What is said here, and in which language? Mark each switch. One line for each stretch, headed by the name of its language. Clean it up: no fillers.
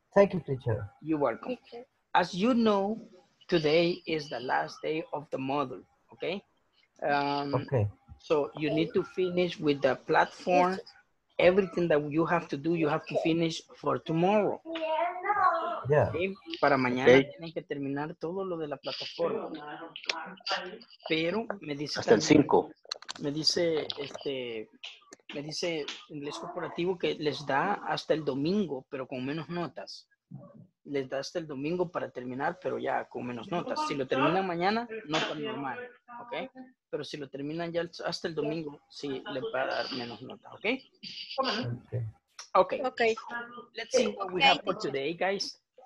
English: thank you, teacher. You're welcome. Teacher. As you know, today is the last day of the module, okay? So you need to finish with the platform. Everything that you have to do, you have to finish for tomorrow. Yeah. Okay.
Spanish: Para mañana tienen que terminar todo lo de la plataforma. Pero me dice hasta también, el 5. Me dice Inglés Corporativo que les da hasta el domingo, pero con menos notas. Les da hasta el domingo para terminar, pero ya con menos notas. Si lo terminan mañana, nota normal, ¿ok? Pero si lo terminan ya hasta el domingo, sí le va a dar menos notas, ¿ok?
English: Okay. Let's see what we have for today, guys.